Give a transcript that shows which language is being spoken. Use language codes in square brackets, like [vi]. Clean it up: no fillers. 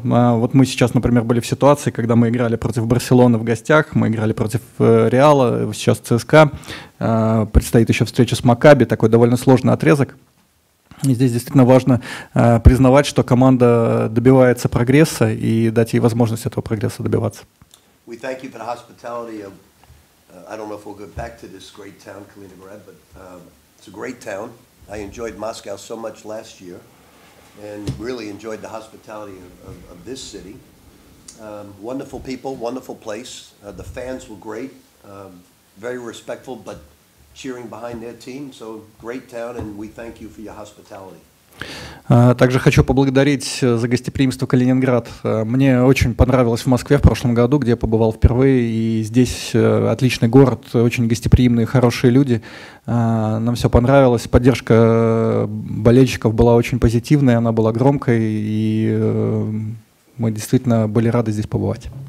[ru] Вот мы сейчас, например, были в ситуации, когда мы играли против Барселоны в гостях, мы играли против Реала, сейчас ЦСКА, предстоит еще встреча с Макаби, такой довольно сложный отрезок. И здесь действительно важно признавать, что команда добивается прогресса и дать ей возможность этого прогресса добиваться. [en] We thank you for the hospitality of, I don't know if we'll get back to this great town, Kaliningrad, but it's a great town. I enjoyed Moscow so much last year. And really enjoyed the hospitality of this city. Wonderful people, wonderful place. The fans were great, very respectful, but cheering behind their team. So great town, and we thank you for your hospitality. [ru] Также хочу поблагодарить за гостеприимство Калининград. Мне очень понравилось в Москве в прошлом году, где я побывал впервые, и здесь отличный город, очень гостеприимные, хорошие люди. Нам все понравилось, поддержка болельщиков была очень позитивной, она была громкой, и мы действительно были рады здесь побывать.